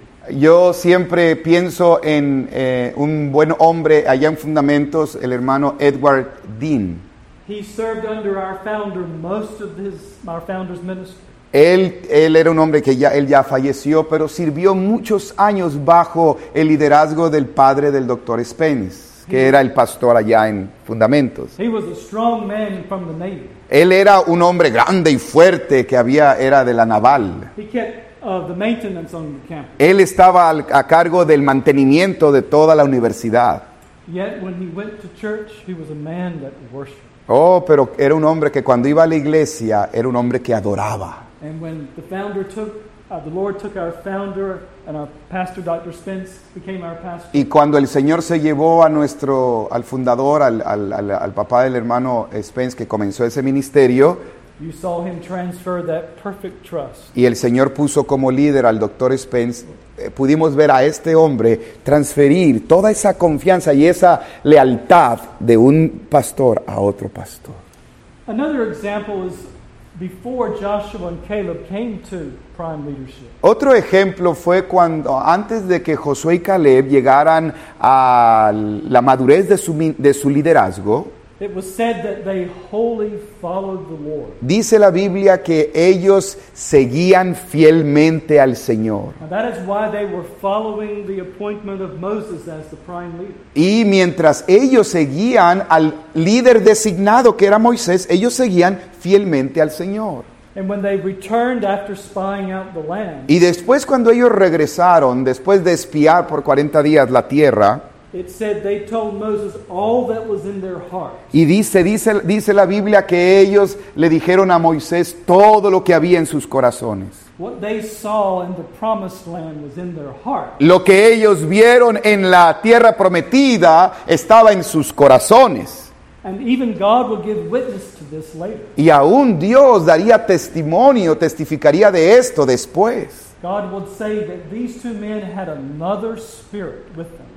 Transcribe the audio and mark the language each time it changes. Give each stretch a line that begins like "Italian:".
Spanish: Yo siempre pienso en un buen hombre allá en Fundamentos, el hermano Edward Dean.
English: He served under our founder most of our founder's ministry.
Spanish: Él era un hombre que ya falleció, pero sirvió muchos años bajo el liderazgo del padre del Dr. Spence, que era el pastor allá en Fundamentos.
English: He was a strong man from the Navy.
Spanish: Él era un hombre grande y fuerte que era de la naval.
English: He kept the maintenance on the campus.
Spanish: Él estaba a cargo del mantenimiento de toda la universidad.
English: Yet when he went to church, he was a man that worshiped.
Spanish: Oh, pero era un hombre que cuando iba a la iglesia, era un hombre que adoraba.
English: And when the founder took, the Lord took our founder and our pastor, Dr. Spence, became our pastor.
Spanish: Y cuando el Señor se llevó al fundador, al papá del hermano Spence, que comenzó ese ministerio.
English: You saw him transfer that perfect trust.
Spanish: Y el Señor puso como líder al Dr. Spence. Pudimos ver a este hombre transferir toda esa confianza y esa lealtad de un pastor a otro pastor.
English: Another example is before Joshua and Caleb came to prime leadership.
Spanish: Otro ejemplo fue cuando antes de que Josué y Caleb llegaran a la madurez de su liderazgo.
English: It was said that they wholly followed the Lord.
Spanish: Dice la Biblia que ellos seguían fielmente al Señor.
English: Now that is why they were following the appointment of Moses as the prime leader.
Spanish: Y mientras ellos seguían al líder designado que era Moisés, ellos seguían fielmente al Señor.
English: And when they returned after spying out the land.
Spanish: Y después cuando ellos regresaron, después de espiar por 40 días la tierra.
English: It said they told Moses all that was in their heart.
Spanish: Y dice la Biblia que ellos le dijeron a Moisés todo lo que había en sus corazones.
English: What they saw in the promised land was in their heart.
Spanish: Lo que ellos vieron en la tierra prometida estaba en sus corazones.
English: And even God will give witness to this later.
Spanish: Y aún Dios daría testimonio, testificaría de esto después.
English: God would say that these two men had another spirit with them.